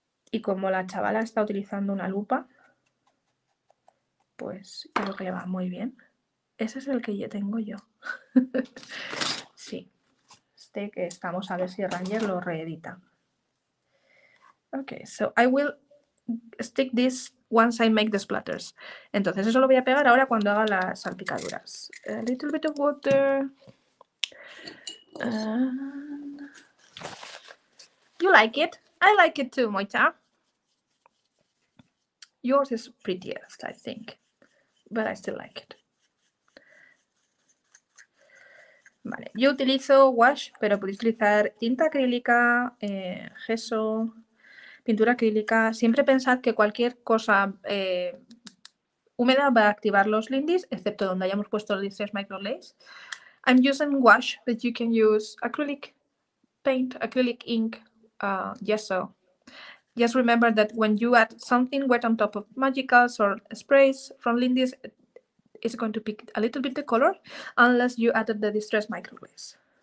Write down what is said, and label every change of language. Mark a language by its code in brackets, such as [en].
[es] Y como la chavala está utilizando una lupa, pues creo que le va muy bien. Ese es el que yo tengo yo. Sí, este que estamos a ver si Ranger lo reedita. [en] Ok, so I will stick this once I make the splatters. [es] Entonces eso lo voy a pegar ahora cuando haga las salpicaduras. [en] A little bit of water. And... You like it? I like it too, Moita. Yours is prettiest, I think. But I still like it. [es] Vale, yo utilizo wash, pero podéis utilizar tinta acrílica, gesso, pintura acrílica. Siempre pensad que cualquier cosa húmeda va a activar los lindis, excepto donde hayamos puesto los distress micro lace. [en] I'm using wash, but you can use acrylic paint, acrylic ink, gesso. Just remember that when you add something wet on top of magicals or sprays from lindis, it's going to pick a little bit the color, unless you added the distress micro lace.